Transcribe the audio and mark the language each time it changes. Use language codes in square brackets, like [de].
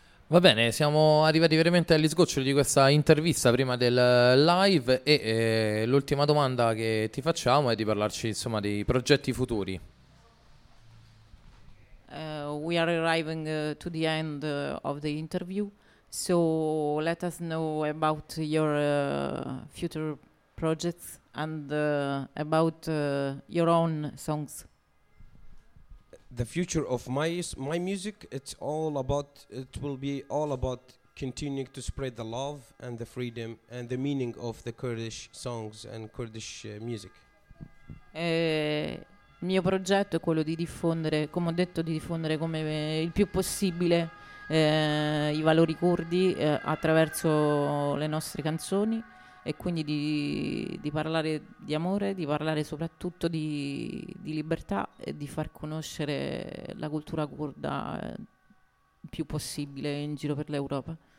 [it] Va bene, siamo arrivati veramente agli sgoccioli di questa intervista prima del live e l'ultima domanda che ti facciamo è di parlarci insomma dei progetti futuri. [en] We are arriving to the end of the interview, so let us know about your future projects and about your own songs. The future of my music, it will be all about continuing to spread the love and the freedom and the meaning of the Kurdish songs and Kurdish music. [it] Il mio progetto è quello di diffondere, come ho detto, di diffondere come il più possibile i valori curdi attraverso le nostre canzoni e quindi di parlare di amore, di parlare soprattutto di libertà e di far conoscere la cultura curda il più possibile in giro per l'Europa.